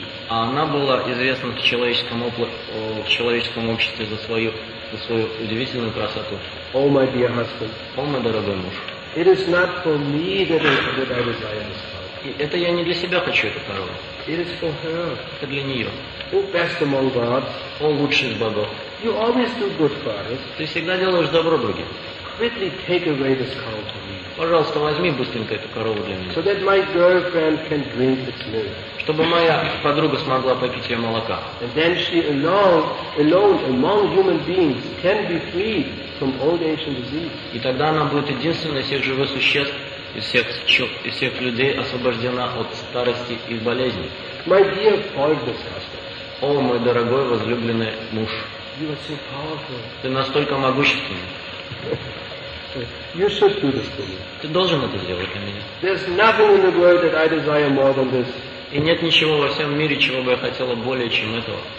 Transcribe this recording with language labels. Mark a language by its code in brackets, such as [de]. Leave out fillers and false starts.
[ru] А она была известна в человеческом обществе за свою удивительную красоту. [en] Oh, my dear husband. [ru] О, мой дорогой муж. [en] It is not for me that I desire this love. [ru] Это я не для себя хочу эту корону. [en] It is for her. [ru] Это для нее. [en] Oh, best among gods. [ru] О, лучший из богов. [en] You always do good for us. [ru] Ты всегда делаешь добро другим. [en] Quickly take away this cow for me. [ru] Пожалуйста, возьми быстренько эту корову для меня. [en] So that my girlfriend can drink its milk. [ru] Чтобы моя подруга смогла попить ее молока. [en] And then she alone among human beings can be freed from old age and disease. [ru] И тогда она будет единственной из всех живых существ, из всех людей, освобождена от старости и болезней. [en] My dear partner, husband. [ru] О, мой дорогой возлюбленный муж. [en] You are so powerful. [ru] Ты настолько могущественный. [en] You should do this for me. [ru] Ты должен это сделать для меня. [en] There's nothing in the world that I desire more than this. [ru] И нет ничего во всем мире, чего бы я хотела более, чем этого.